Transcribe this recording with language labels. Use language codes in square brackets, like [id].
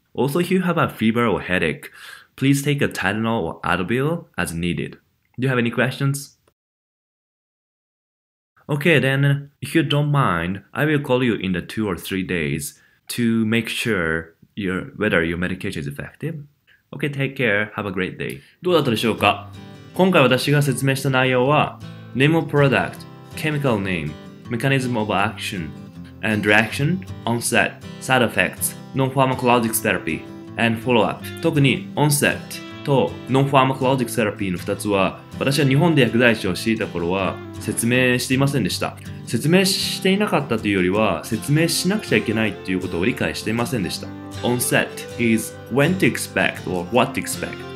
[en] Also, if you have a fever or headache,Please take a Tylenol or Advil as needed. Do you have any questions? Okay, then, if you don't mind, I will call you in the 2 or 3 days to make sure whether your medication is effective. Okay, take care. Have a great day. [ja] どうだったでしょうか？今回私が説明した内容は、 [en] Name of product, chemical name, mechanism of action, and direction, onset, side effects, non-pharmacologic therapy. And follow up. [ja] 特に onset と non-pharmacologic therapy の2つは私は日本で薬剤師をしていた頃は説明していませんでした。説明していなかったというよりは説明しなくちゃいけないということを理解していませんでした。 [en] onset is when to expect or what to expect.